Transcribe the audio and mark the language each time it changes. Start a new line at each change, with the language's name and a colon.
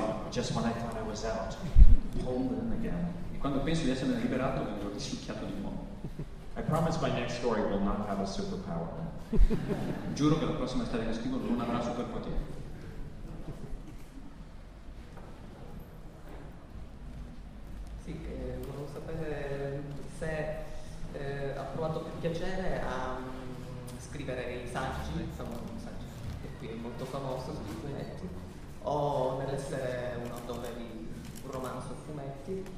English: Just when I thought I was out, pulled in again.
Italian: Quando penso di essere liberato, vengo risucchiato di nuovo.
English: I promise my next story will not have a superpower.
Italian: Giuro che la prossima storia che scrivo non avrà superpotere. Sì, volevo sapere se ha provato più piacere a scrivere i saggi, insomma, un saggio che qui è molto famoso sui fumetti, o nell'essere un autore di un romanzo su fumetti.